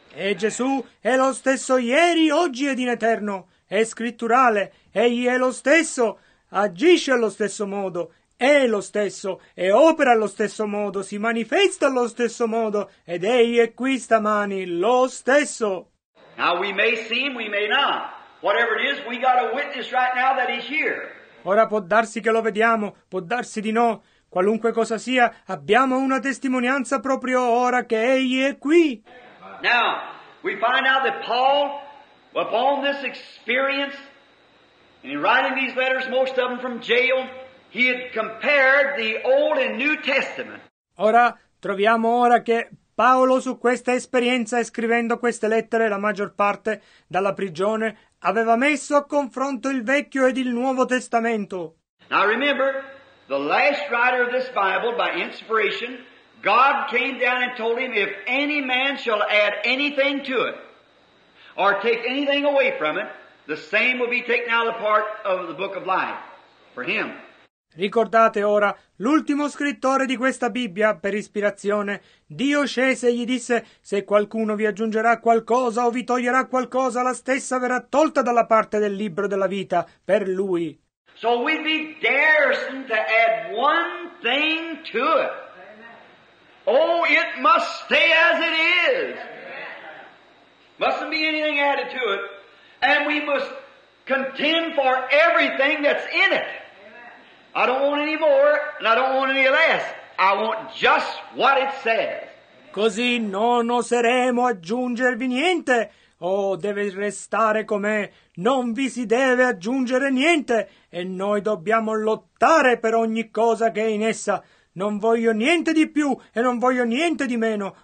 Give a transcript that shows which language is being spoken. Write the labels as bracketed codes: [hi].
[it] E Gesù è lo stesso ieri, oggi ed in eterno. È scritturale. Egli è lo stesso. Agisce allo stesso modo. È lo stesso. E opera allo stesso modo. Si manifesta allo stesso modo. Ed egli è qui stamani. Lo stesso. [en] Now we may see him, we may not. Whatever it is, we got a witness right now that he's here. [it] Ora può darsi che lo vediamo, può darsi di no. Qualunque cosa sia, abbiamo una testimonianza proprio ora che egli è qui. [en] Now, we find out that Paul, upon this experience, in writing these letters, most of them from jail, he had compared the Old and New Testament. [it] Ora, troviamo ora che Paolo, su questa esperienza, scrivendo queste lettere, la maggior parte, dalla prigione, aveva messo a confronto il Vecchio ed il Nuovo Testamento. [en] Now remember, the last writer of this Bible, by inspiration, God came down and told him, if any man shall add anything to it, or take anything away from it, the same will be taken out of the part of the book of life, for him. [it] Ricordate ora, l'ultimo scrittore di questa Bibbia, per ispirazione, Dio scese e gli disse, se qualcuno vi aggiungerà qualcosa o vi toglierà qualcosa, la stessa verrà tolta dalla parte del libro della vita, per lui. [en] So we'd be daring to add one thing to it. Oh, it must stay as it is. Mustn't be anything added to it. And we must contend for everything that's in it. I don't want any more, and I don't want any less. I want just what it says. [it] Così non oseremo aggiungervi niente. Oh, deve restare com'è. Non vi si deve aggiungere niente. E noi dobbiamo lottare per ogni cosa che è in essa. Non voglio niente di più, e non voglio niente di meno.